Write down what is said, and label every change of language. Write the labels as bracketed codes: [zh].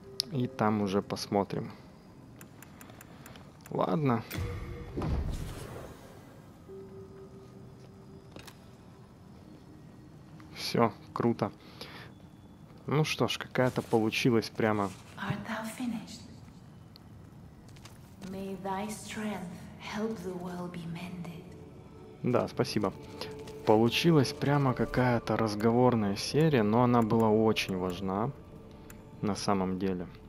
[ru] И там уже посмотрим. Ладно. Все, круто. Ну что ж, какая-то получилась прямо. [en] Art thou finished? May thy strength help the world be mended. [ru] Да, спасибо. Получилась прямо какая-то разговорная серия, но она была очень важна на самом деле.